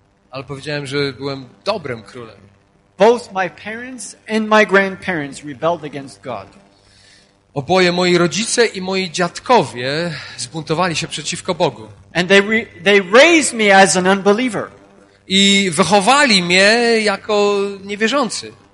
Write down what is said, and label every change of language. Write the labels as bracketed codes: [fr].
[pl] Ale powiedziałem, że byłem dobrym królem. [en] Both my parents and my grandparents rebelled against God. [pl] Oboje moi rodzice i moi dziadkowie zbuntowali się przeciwko Bogu. [en] And they raised me as an unbeliever. [pl] I wychowali mnie jako niewierzący.